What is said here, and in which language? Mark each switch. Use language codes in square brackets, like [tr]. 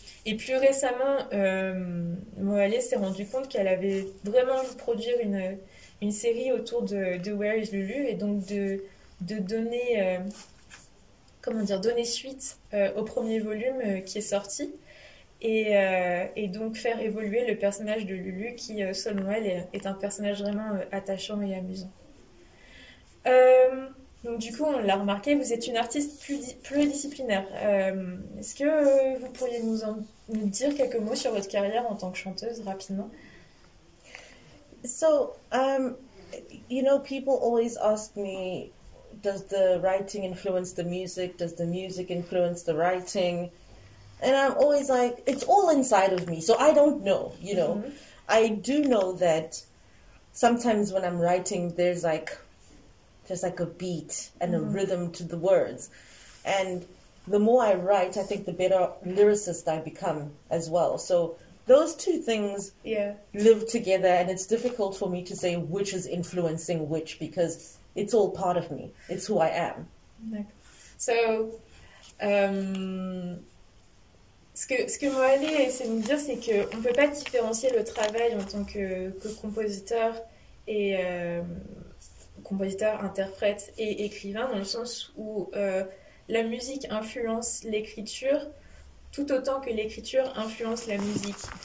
[fr] Et plus récemment, Moalé s'est rendu compte qu'elle avait vraiment envie de produire une série autour de Where is Lulu et donc de donner, comment dire, donner suite au premier volume qui est sorti et donc faire évoluer le personnage de Lulu qui, selon elle, est un personnage vraiment attachant et amusant. Donc du coup, on l'a remarqué, vous êtes une artiste pluridisciplinaire. Est-ce que vous pourriez nous dire quelques mots sur votre carrière en tant que chanteuse rapidement? [en] So, you know, people always ask me, does the writing influence the music? Does the music influence the writing? And I'm always like, it's all inside of me, so I don't know, you know. I do know that sometimes when I'm writing, there's like a beat and a rhythm to the words. And the more I write, I think the better lyricist I become as well. So those two things live together, and it's difficult for me to say which is influencing which because it's all part of me. It's who I am. [fr] So, ce que Moalé essaie de nous dire, c'est qu'on ne peut pas différencier le travail en tant que compositeur et... compositeur, interprète et écrivain, dans le sens où la musique influence l'écriture tout autant que l'écriture influence la musique.